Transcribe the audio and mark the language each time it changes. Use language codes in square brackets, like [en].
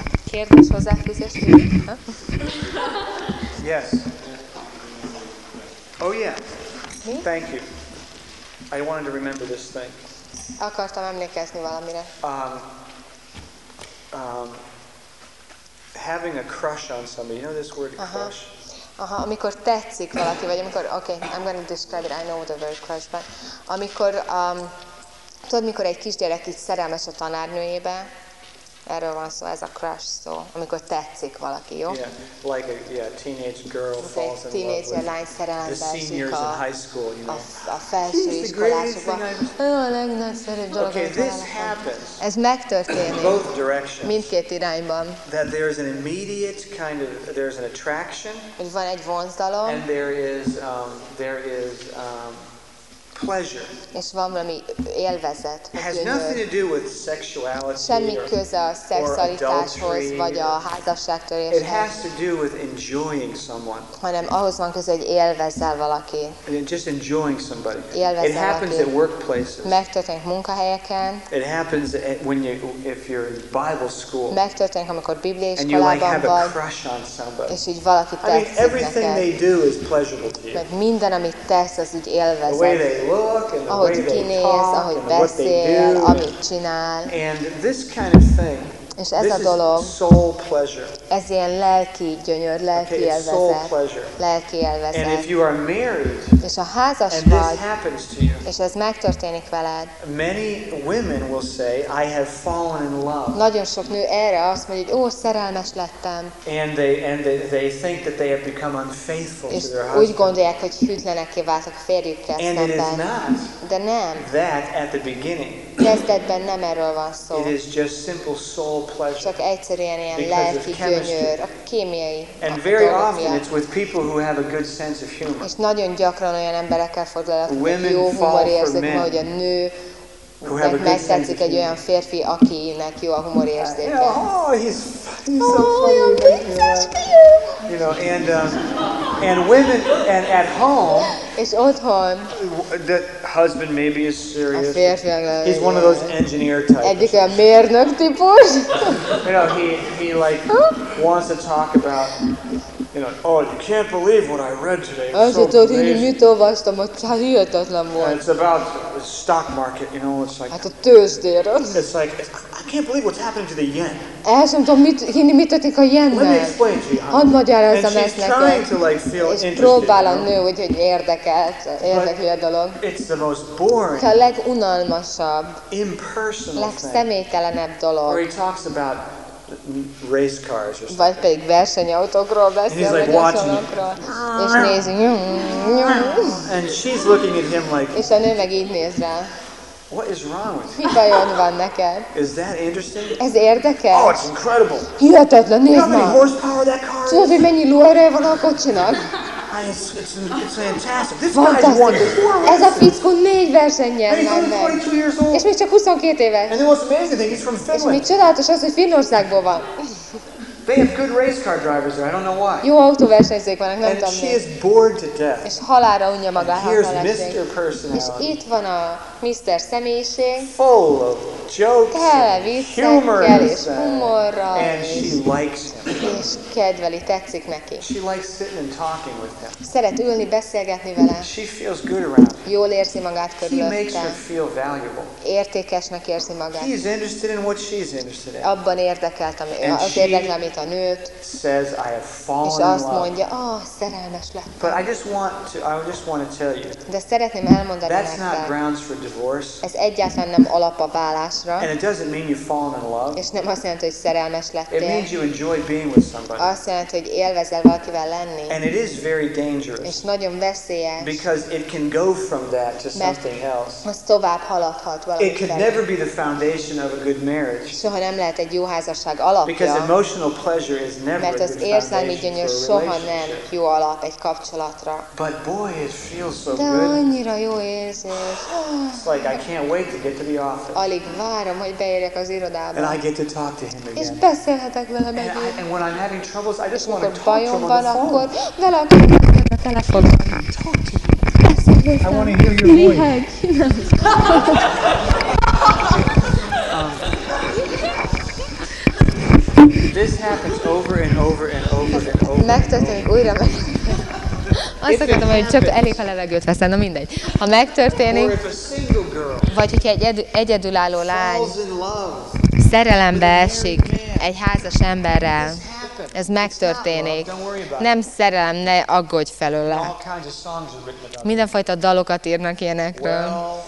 [hu] Kérdés, hozzáfűzés? [en] Yes. Oh yeah. [hu] Mi? [en] Thank you. I wanted to remember this thing. [hu] Akartam emlékezni valamire. [en] Having a crush on somebody, you know this word crush? [hu] Aha, amikor tetszik valaki, vagy amikor, [en] okay, I'm going to describe it, I know the word crush, but [hu] amikor, tudod, mikor egy kisgyerek így szerelmes a tanárnőjébe, Erről van szó, ez a crush szó, amikor tetszik valaki, jó? [en] Yeah, like a teenage girl falls in love with [hu] lány szerelembe [en] the seniors in high school, you know. [hu] A felső iskolásokban. Ő a legnagyszerűbb dolog. [en] Okay, this happens. [hu] Ez megtörténik. [en] Both directions. [hu] Mindkét irányban. [en] That there is an immediate kind of, there's an attraction. [hu] Hogy van egy vonzalom. [en] And there is pleasure. [hu] És van valami élvezet, [en] has nothing to do with sexuality [hu] semmi köze a szexualitáshoz vagy a házasságtöréshez. [en] It has to do with enjoying someone. [hu] Hanem ahhoz van köze, hogy élvezzel valakit. [en] Just enjoying somebody. [hu] Élvezzel [en] it happens [hu] valaki. [en] At workplaces. [hu] Megtörténik munkahelyeken. [en] It happens when you if you're in Bible school. [hu] Megtörténik, amikor Biblia iskolában vagy. [en] And you like have a crush on somebody. [hu] És így valaki tetszik neked. [en] Everything they do is pleasurable to you. [hu] Mert minden, amit tesz, az így élvezet. Ahogy kinéz, ahogy beszél, amit csinál. [en] And this kind of thing, [hu] és ez a dolog, [en] soul pleasure. [hu] Ez ilyen lelki gyönyör, lelki [en] okay, [hu] élvezet. [en] Soul pleasure. [hu] Lelki élvezet. [en] And if you are married, [hu] és ha házas [en] and [hu] vagy, [en] this happens to you, [hu] és ez megtörténik veled, [en] many women will say, I have fallen in love. [hu] Nagyon sok nő erre azt mondja, hogy ó, szerelmes lettem. [en] And they think that they have become unfaithful [hu] és [en] to their husband. [hu] Úgy gondolják, hogy hűtlenekké váltak a férjükkel szemben. De nem. [en] That at the beginning. [hu] Kezdetben nem erről van szó. [en] It is just simple soul pleasure. [hu] Csak egyszerűen ilyen lelki gyönyör, a kémiai. [en] And very often it's with people who have a good sense of humor. [hu] És nagyon gyakran olyan emberekkel fordul, akik jó humor érzik, hogy a nő megtetszik egy olyan férfi, akinek jó a humor érzéke. [en] Yeah, oh, he's so funny. Oh, you're know, and women and at home. [hu] És otthon. [en] The husband maybe is serious. [hu] A férfi, [en] he's one of those engineer types. [hu] Egyik a mérnök típus. [en] You know, he like wants to talk about. You know, oh, you can't believe what I read today. It's so amazing. [hu] Mit olvastam, hihetetlen volt. [en] And it's about the stock market, you know, it's like. [hu] Hát a tőzsdéről. [en] It's like, I can't believe what's happening to the yen. [hu] El sem tudom hinni, mit történik a yennel. [en] Let me explain to you. [hu] Hadd magyarázzam ezt neked. [en] And she's trying to like feel interested. [hu] És próbál a nő, hogy érdekelt, érdekli a dolog. [en] It's the most boring. [hu] A legunalmasabb. [en] Impersonal thing. [hu] Legszemélytelenebb dolog. [en] Where he talks about race cars or [hu] vagy pedig versenyautókról beszél, [en] like [hu] vagy és nézi, [en] and she's looking at him like, [hu] és a nő meg így néz rá. [en] What is wrong with you? [hu] Mi bajod van neked? [en] Is that interesting? [hu] Ez érdekel? [en] Oh, it's incredible. [hu] Hihetetlen, nézd meg. [en] How many horsepower that car? [hu] Tudod, hogy mennyi lóerő van a kocsinak? [en] It's fantastic. This guy won 4 races. [hu] Ez a fickó 4 versenyen nyert meg. [en] And he's only 22 years old. [hu] És még csak 22 éves. [en] And the most amazing thing, he's from Finland. [hu] És még csodálatos az, hogy Finnországból van. [en] They have good race car drivers there. I don't know why. [hu] Jó autóversenyzők vannak, nem tudom. [en] And she is bored to death. [hu] És halálra unja magát. [en] And here's Mr. Personality. [hu] És itt van a Mr. Személyiség. [en] Full of jokes and humor. [hu] És humorral. [en] And she likes him. [hu] És kedveli, tetszik neki. [en] She likes sitting and talking with him. [hu] Szeret ülni, beszélgetni vele. [en] She feels good around him. [hu] Jól érzi magát körülötte. [en] He makes her feel valuable. [hu] Értékesnek érzi magát. [en] He is interested in what she's interested in. [hu] Abban érdekelt, ami az érdekel, amit a nőt. [en] Says I have fallen in love. [hu] És azt mondja, ah, szerelmes lettem. [en] But I just want to tell you. [hu] De szeretném elmondani nektek. [en] That's not grounds for divorce. [hu] Ez egyáltalán nem alap a válásra. [en] And it doesn't mean you've fallen in love. [hu] És nem azt jelenti, hogy szerelmes lettél. [en] It means you enjoy being with somebody. [hu] Azt jelenti, hogy élvezel valakivel lenni. [en] And it is very dangerous. [hu] És nagyon veszélyes. [en] Because it can go from that to something else. [hu] Mert tovább haladhat valami. [en] It could never be the foundation of a good marriage. [hu] Soha nem lehet egy jó házasság alapja. [en] Because emotional pleasure is never. [hu] Mert az érzelmi gyönyör soha nem jó alap egy kapcsolatra. [en] But boy, it feels so good. [hu] De annyira jó érzés. [en] It's like I can't wait to get to the office. [hu] Alig várom, hogy beérjek az irodába. [en] And I get to talk to him again. [hu] És beszélhetek vele megint. [en] And when I'm having troubles, I just want to talk to him on the phone. [hu] Vele akarok a telefonon. [en] Talk to him. I want to hear your voice. This happens over and over and over and over. [hu] Megtörténik újra. Azt akartam, hogy csak elég a levegőt veszel, na mindegy. Ha megtörténik, vagy hogyha egy egyedülálló lány szerelembe esik egy házas emberrel, ez megtörténik. Nem szerelem, ne aggódj felőle. Mindenfajta dalokat írnak ilyenekről.